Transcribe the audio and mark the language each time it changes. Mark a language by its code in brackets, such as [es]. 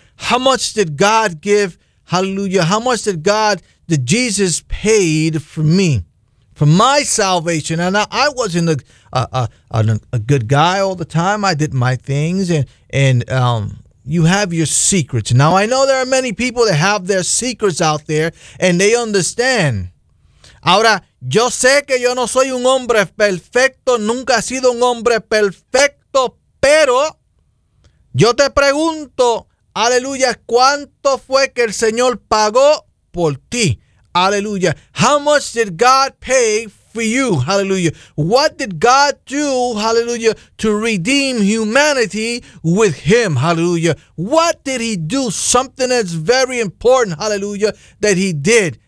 [en] How much did God give? Hallelujah. How much did God, did Jesus paid for me? For my salvation. And I wasn't a good guy all the time. I did my things. And you have your secrets. Now, I know there are many people that have their secrets out there. And they understand. [es] Ahora, yo sé que yo no soy un hombre perfecto. Nunca he sido un hombre perfecto. Pero yo te pregunto, aleluya, ¿cuánto fue que el Señor pagó por ti? [en] Hallelujah. How much did God pay for you? Hallelujah. What did God do, hallelujah, to redeem humanity with him? Hallelujah. What did he do? Something that's very important, hallelujah, that he did.